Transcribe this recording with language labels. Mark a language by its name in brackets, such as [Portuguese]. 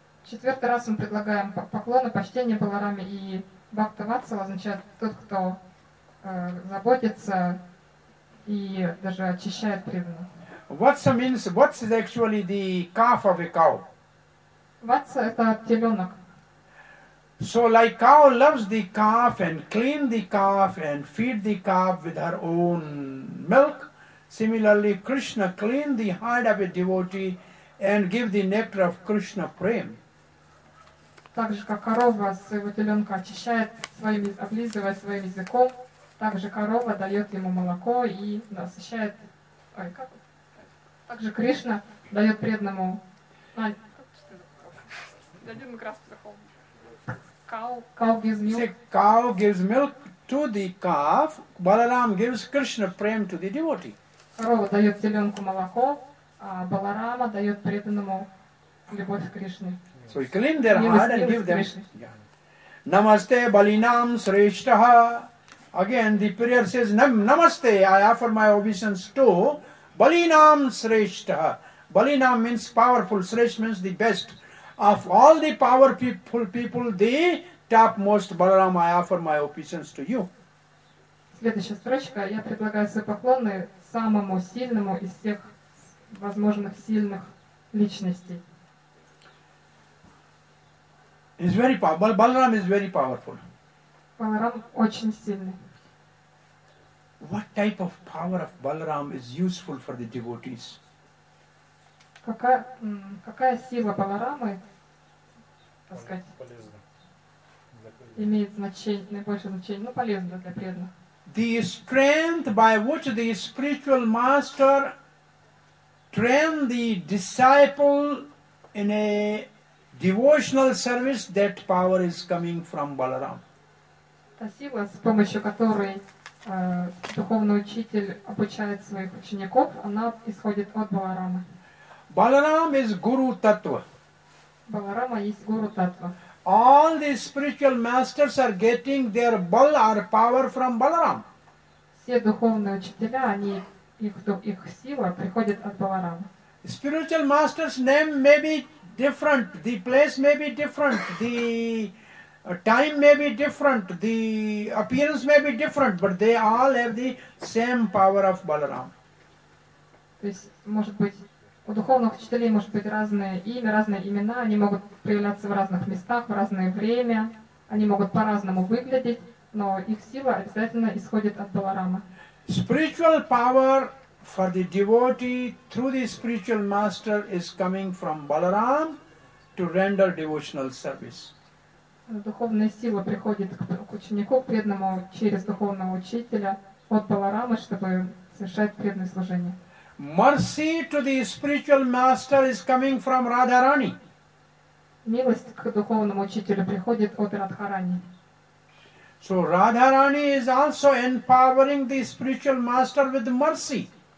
[Russian] Четвертый раз мы предлагаем поклоны, почтение Баларами. И Бхакта Ватсала означает тот, кто заботится и даже очищает преданных. [English] Vatsa means, Vatsa is actually the calf of a cow. [Russian] Vatsa – это теленок. [English] So like cow loves the calf and clean the calf and feed the calf with her own milk. Similarly, Krishna clean the heart of a devotee and give the nectar of Krishna prema. [Russian] Так же, как корова своего теленка очищает, своим, облизывает своим языком, так же корова дает ему молоко и насыщает... Также Кришна дает преданному... Дадим как раз по Cow. [English] Cow gives milk. See, cow gives milk to the calf, Balaram gives Krishna prema to the devotee. [Russian] Корова дает теленку молоко, а Баларама дает преданному любовь к Кришне. [English] So we clean their heart and give them. [Sanskrit] Namaste Balinam Sreshtaha. [English] Again, the prayer says, Namaste, I offer my obeisance to Balinam Sreshtaha. Balinam means powerful, Sreshtaha means the best. Of all the powerful people, the topmost Balaram, I offer my obeisance to you. [Russian] Следующая строчка. Я предлагаю свои поклоны самому сильному из всех возможных сильных личностей. [English] It's very powerful. Balaram is very powerful. [Russian] Баларам очень сильный. [English] What type of power of Balaram is useful for the devotees? [Russian] Какая сила Баларамы, так сказать, полезна. Имеет значение, наибольшее значение, ну, полезно для преданных. [English] The strength by which the spiritual master train the disciple in a devotional service, that power is coming from Balaram. [Russian] Та сила, с помощью которой духовный учитель обучает своих учеников, она исходит от Баларамы. [English] Баларам is Guru Tattva. [Russian] Баларама есть Guru Tattva. [English] All the spiritual masters are getting their bal or power from Balaram. [Russian] Все духовные учителя, они, их сила приходит от Баларамы. [English] Spiritual master's name may be different, the place may be different, the time may be different, the appearance may be different, but they all have the same power of Balaram. [Russian] То есть, может быть, у духовных учителей может быть разное имя, разные имена, они могут появляться в разных местах, в разное время, они могут по-разному выглядеть, но их сила обязательно исходит от Баларамы. [English] Spiritual power for the devotee through the spiritual master is coming from Balaram to render devotional service. [Russian] духовная сила приходит к ученику преданному через духовного учителя от Баларамы, чтобы совершать преданное служение. [English] Mercy to the spiritual master is coming from Radharani. [Russian] Милость к духовному учителю приходит от Радхарани. [English] So Radharani is also empowering the spiritual master with mercy.